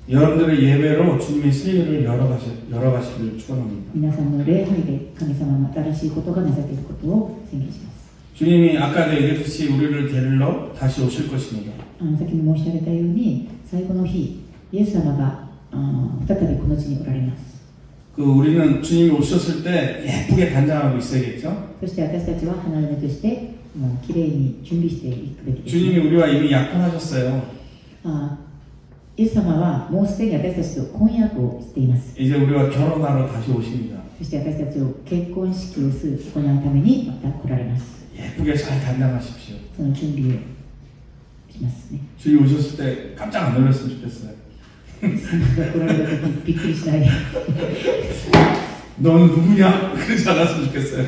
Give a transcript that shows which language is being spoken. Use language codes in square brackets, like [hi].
[ko] 여러분들의 예배로 주님의 세례를 열어가시기를 축원합니다. [ja] 皆さんの礼拝で神様の新しいことがなされていることを宣言します. [ko] 주님이 아까도 얘기했듯이 우리를 데리러 다시 오실 것입니다. [ja] 先に申し上げたように最後の日イエス様が再びこの地におられます. [ko] 그 우리는 주님이 오셨을 때 예쁘게 단장하고 있어야겠죠? [ja] そして私たちは花嫁としてもう綺麗に準備していくべきです. [ko] 주님이 우리와 이미 약혼하셨어요. [ja] 예수様はもうすでに私たちと婚約をしています. [ko] 이제 우리가 결혼하러 다시 오십니다. [ja] そして私たちを結婚式をする行うためにまた来られます. [ko] 예쁘게 잘 담당하십시오. 저는 준비를 하겠습니다. 주님 오셨을 때 깜짝 안 놀랐으면 좋겠어요. 그러니까 너는 누구냐? 그러지 않았으면 좋겠어요.